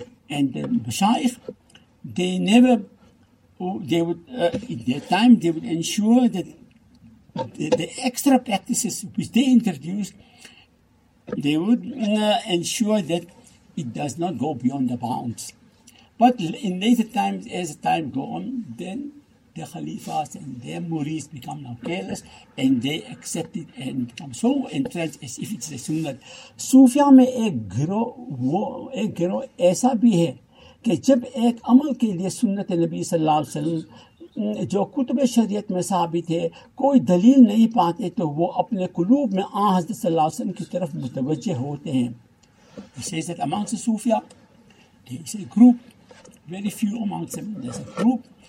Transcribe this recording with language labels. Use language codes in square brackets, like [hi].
[en] And the Mashaykh, in their time, they would ensure that the extra practices which they introduced, they would ensure that it does not go beyond the bounds. But in later times, as time goes on, then the Khalifas and their Murids become now careless, and they accept it and become so entrenched as if it's a Sunnah. [ur] Sufya mein ek gro aisa bhi hai, ke jab ek amal ke liye Sunnat Nabi Sallallahu Alaihi Wasallam جو کتب شریعت میں ثابت ہے کوئی دلیل نہیں پاتے تو وہ اپنے قلوب میں آن حضرت صلی اللہ علیہ وسلم کی طرف متوجہ ہوتے ہیں. [en] He says that amongst the Sufia, there is a group, very few amongst them, there's a group.